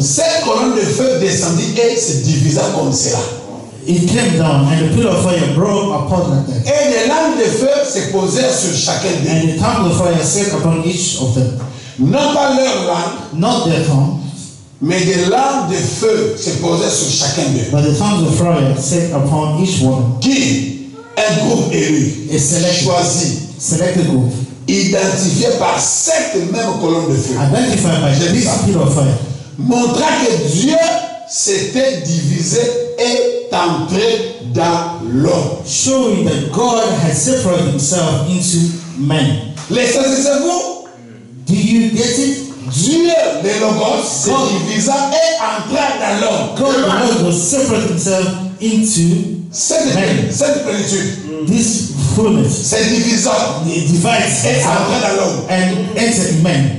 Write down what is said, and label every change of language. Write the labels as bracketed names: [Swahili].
[French] cette colonne de feu descendit et se divisa comme cela. [English] It came down and the pillar of fire broke apart like that. [French] Et les lames de feu se posèrent sur chacun d'eux. [English] And the tongue of fire set upon each of them. [French] Non pas leur langue, [English] not their tongue, [French] mais des langues de feu se posaient sur chacun d'eux. [English] But the tongues of fire set upon each one. [French] Qui? Un groupe élu. [English] Et selected. [French] Choisi. [English] Selected group. [French] Identifié par cette même colonne de feu. [English] Identified by this pillar of fire. [French] Montra que Dieu s'était divisé et entré dans l'homme. [English] Showing that God had separated himself into man. [French] Laissez-vous. [English] Do you get it? [French] Dieu le Logos se divisa et entra dans l'homme. [English] God the Logos separated himself into man. Cette plénitude. This fullness. [French] Cette division. [English] The divide [French] et entra dans l'homme. [English] And entered man.